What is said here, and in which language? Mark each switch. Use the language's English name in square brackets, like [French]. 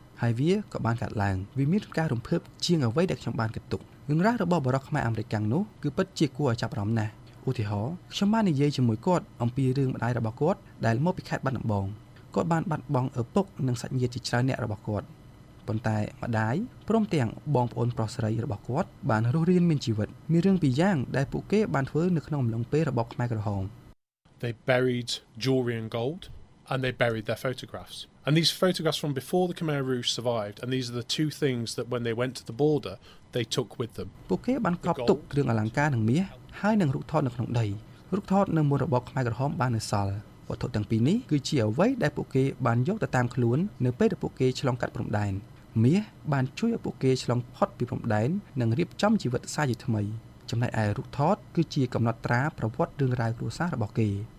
[Khmer] ហើយវាក៏បានកើតឡើងវាមានការរំភើបជាងអ្វីដែលខ្ញុំបានគិតទុករឿងរ៉ាវរបស់បរិការខ្មែរអាមេរិកនោះគឺពិតជាគួរឲ្យចាប់អារម្មណ៍ណាស់ឧទាហរណ៍ខ្ញុំបាននិយាយជាមួយគាត់អំពីរឿងម្ដាយរបស់គាត់ដែលមកពីខេត្តបាត់ដំបងគាត់បានបាត់បង់ឪពុកនិងសាច់ញាតិជាច្រើនអ្នករបស់គាត់ ប៉ុន្តែម្ដាយព្រមទាំងបងប្អូនប្រុសស្រីរបស់គាត់បានរស់រានមានជីវិតមានរឿងពីរយ៉ាងដែលពួកគេបានធ្វើនៅក្នុងអំឡុងពេលរបបខ្មែរក្រហម [English] They buried jewelry and gold and they buried their photographs and these photographs from before the Khmer Rouge survived and these are the two things that when they went to the border they took with them [Khmer] ពួកគេបានកប់ទុកគ្រឿងអលង្ការនិងមាសហើយនិងរូបថតនៅក្នុងដីរូបថតនៅមុនរបបខ្មែរក្រហមបាននៅសល់វត្ថុទាំងពីរនេះគឺជាអ្វីដែលពួកគេបានយកទៅតាមខ្លួននៅពេលដែលពួកគេឆ្លងកាត់ព្រំដែនមាសបានជួយឲ្យពួកគេឆ្លងផុតពីព្រំដែននិងរៀបចំជីវិតសាជាថ្មីចំណែកឯរូបថតគឺជាកំណត់ត្រាប្រវត្តិរឿងរ៉ាវគ្រួសាររបស់គេ